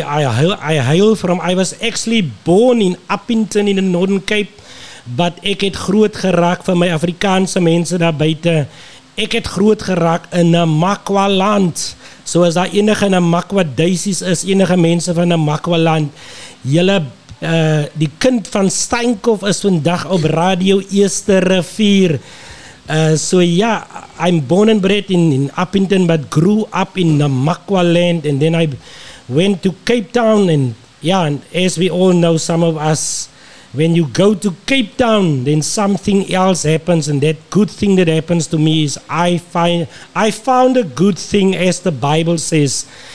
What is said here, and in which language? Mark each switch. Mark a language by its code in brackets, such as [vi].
[en] I was actually born in Upington in the Northern Cape. [af] But ek het groot geraak vir my Afrikaanse mense daar buite. Ek het groot geraak in 'n Makwaland. So as daar enige in 'n Makwa duisies is, enige mense van 'n Makwaland, julle die kind van Steinkof is vandag op Radio Eerste Rivier. [en] So yeah, I'm born and bred in Upington, but grew up in the Makwaland, and then I went to Cape Town. And yeah, and as we all know, some of us, when you go to Cape Town, then something else happens. And that good thing that happens to me is I found a good thing, as the Bible says.